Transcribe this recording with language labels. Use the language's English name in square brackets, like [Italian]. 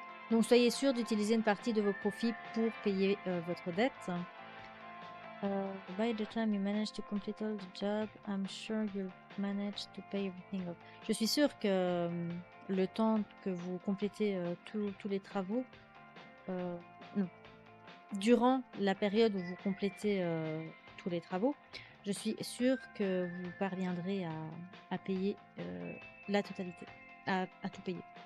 [French] Donc soyez sûr d'utiliser une partie de vos profits pour payer votre dette. [English] By the time you manage to complete all the job, I'm sure you'll manage to pay everything off. [French] Je suis sûre que le temps que vous complétez tous les travaux, durant la période où vous complétez tous les travaux, je suis sûre que vous parviendrez à payer la totalité, à tout payer.